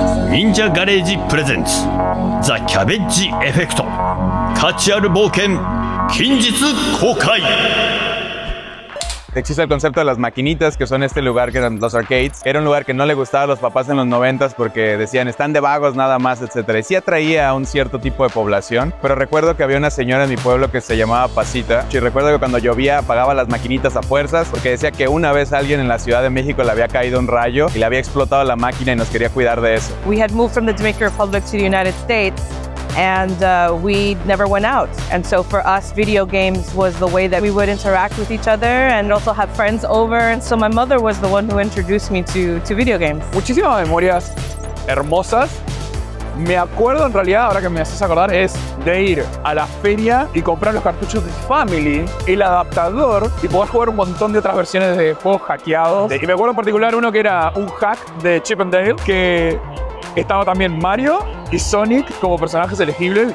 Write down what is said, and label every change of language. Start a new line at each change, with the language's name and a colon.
Japanese: 忍者ガレージプレゼンツ、ザ・キャベッジエフェクト、価値ある冒険、近日公開。
Spanish: Existe el concepto de las maquinitas, que son este lugar que eran los arcades. Era un lugar que no le gustaba a los papás en los 90s porque decían, están de vagos nada más, etc. Y sí atraía a un cierto tipo de población. Pero recuerdo que había una señora en mi pueblo que se llamaba Pasita. Y recuerdo que cuando llovía apagaba las maquinitas a fuerzas porque decía que una vez alguien en la Ciudad de México le había caído un rayo y le había explotado la máquina y nos quería cuidar de eso.
English: We had moved from the Dominican Republic to the United States. And we never went out. And so for us, video games was the way that we would interact with each other and also have friends over. And so my mother was the one who introduced me to video games.
Spanish: Muchísimas memorias hermosas. Me acuerdo en realidad, ahora que me haces acordar, es de ir a la feria y comprar los cartuchos de Family, el adaptador, y poder jugar un montón de otras versiones de juegos hackeados. Y me acuerdo en particular uno que era un hack de Chip and Dale, que estaba también Mario y Sonic como personajes elegibles.